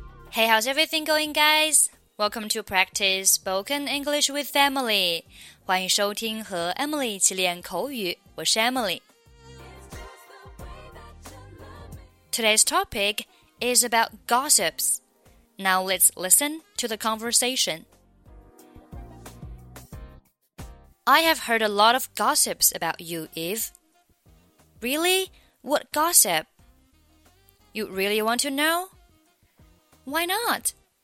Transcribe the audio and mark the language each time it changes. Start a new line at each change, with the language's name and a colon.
English: Hey, how's everything going, guys? Welcome to Practice Spoken English with Emily.
Chinese: 欢迎收听和 Emily 一起练口语。我是 Emily.
English: Today's topic is about gossips. Now let's listen to the conversation. I have heard a lot of gossips about you, Eve. Really? What gossip? You really want to know? Why not?